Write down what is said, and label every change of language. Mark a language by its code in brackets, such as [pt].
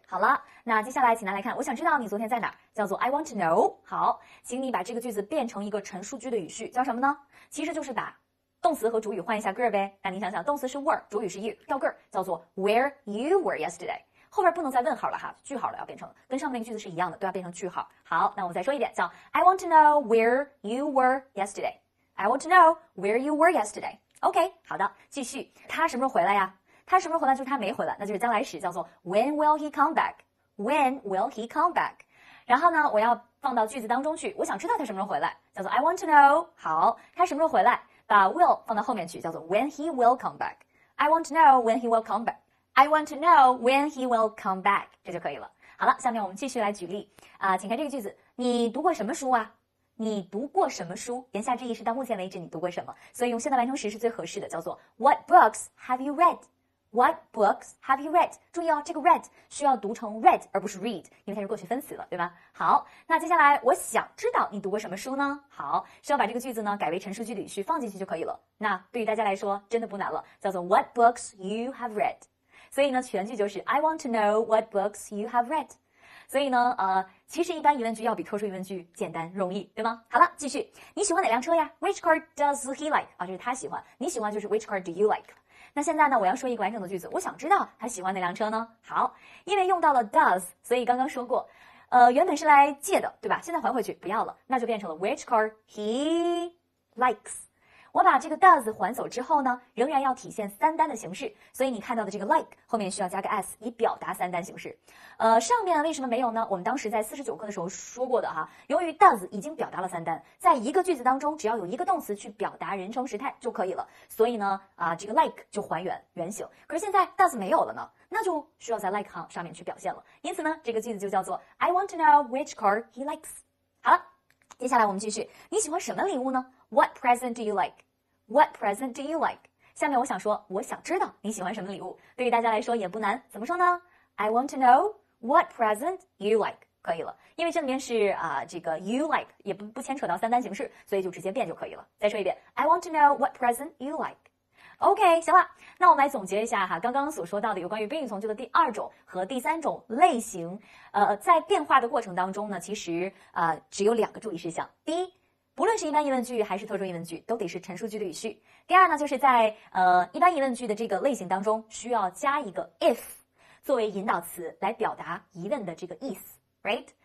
[zh] 好了，那接下来请大家来看，我想知道你昨天在哪儿，叫做 [en] I want to know。 [zh] 好，请你把这个句子变成一个陈述句的语序，叫什么呢？其实就是把动词和主语换一下个儿呗。那你想想，动词是 were， 主语是 you， 调个儿，叫做 [en] where you were yesterday。 [zh] 后边不能再问号了哈，句号了，要变成跟上面句子是一样的，都要变成句号。好，那我再说一遍，叫 [en] I want to know where you were yesterday。 I want to know where you were yesterday。 [zh] OK， 好的，继续。他什么时候回来呀？他什么时候回来？就是他没回来，那就是将来时，叫做 [en] when will he come back。When will he come back。 [zh] 然后呢我要放到句子当中去，我想知道他什么时候回来，叫做 [en] I want to know。 [zh] 好，他什么时候回来，把 will 放到后面去，叫做 [en] when he will come back。 I want to know when he will come back。 I want to know when he will come back。 [zh] 这就可以了。好了，下面我们继续来举例啊，请看这个句子，你读过什么书啊？你读过什么书？言下之意是到目前为止你读过什么，所以用现在完成时是最合适的，叫做 [en] what books have you read。 What books have you read？ [zh] 注意哦，这个 read 需要读成 read 而不是 read， 因为它是过去分词了，对吗？好，那接下来我想知道你读过什么书呢？好，需要把这个句子呢改为陈述句的语序放进去就可以了。那对于大家来说真的不难了，叫做 [en] What books you have read。 [zh] 所以呢全句就是 [en] I want to know what books you have read。 [zh] 所以呢其实一般疑问句要比特殊疑问句简单容易，对吗？好了，继续。你喜欢哪辆车呀？ [en] Which car does he like？ [zh] 啊，就是他喜欢，你喜欢就是 [en] Which car do you like？ [zh] 那现在呢我要说一个完整的句子，我想知道他喜欢哪辆车呢。好，因为用到了 does， 所以刚刚说过原本是来借的，对吧？现在还回去不要了，那就变成了 [en] which car he likes。 [zh] 我把这个 does 还走之后呢，仍然要体现三单的形式，所以你看到的这个 like 后面需要加个 s 以表达三单形式。上面为什么没有呢？我们当时在49课的时候说过的哈，由于 does 已经表达了三单，在一个句子当中只要有一个动词去表达人称时态就可以了，所以呢这个 like 就还原原形。可是现在 does 没有了呢，那就需要在 like 行上面去表现了，因此呢这个句子就叫做 [en] I want to know which car he likes。 [zh] 好了，接下来我们继续。你喜欢什么礼物呢？ [en] What present do you like? What present do you like? [zh] 下面我想说我想知道你喜欢什么礼物，对于大家来说也不难，怎么说呢？ [en] I want to know what present you like。 [zh] 可以了，因为这里面是这个 you like 也不牵扯到三单形式，所以就直接变就可以了。再说一遍， [en] I want to know what present you like。 [zh] OK， 行了，那我们来总结一下哈，刚刚所说到的有关于宾语从句的第二种和第三种类型，在变化的过程当中呢，其实只有两个注意事项。第一，不论是一般疑问句还是特殊疑问句，都得是陈述句的语序。第二呢，就是在一般疑问句的这个类型当中，需要加一个 if 作为引导词来表达疑问的这个意思 ，right？